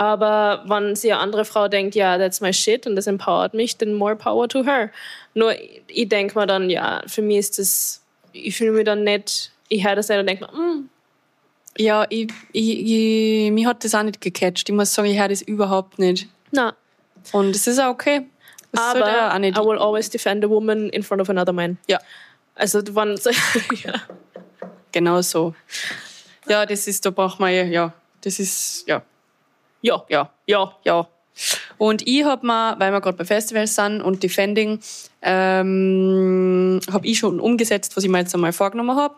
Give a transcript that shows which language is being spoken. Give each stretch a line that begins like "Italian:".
German: Aber wenn sie eine andere Frau denkt, ja,
English: that's my shit
German: und das empowert mich,
English: then more power to her.
German: Nur ich denke mir dann, ja, für mich ist das, ich fühle mich dann nicht, ich höre das nicht und denke mir, Ja, mich hat das auch nicht gecatcht. Ich muss sagen, ich höre das überhaupt nicht. Nein. Und es ist auch okay. Aber
English: I will always defend a woman in front of another man.
German: Ja. Also, wenn... ja. Genau so. Ja, das ist, da braucht man, ja, das ist, ja. Ja. Ja. Ja. Ja. Und ich hab mal, weil wir gerade bei Festivals sind und defending, hab ich schon umgesetzt, was ich mir jetzt einmal vorgenommen hab.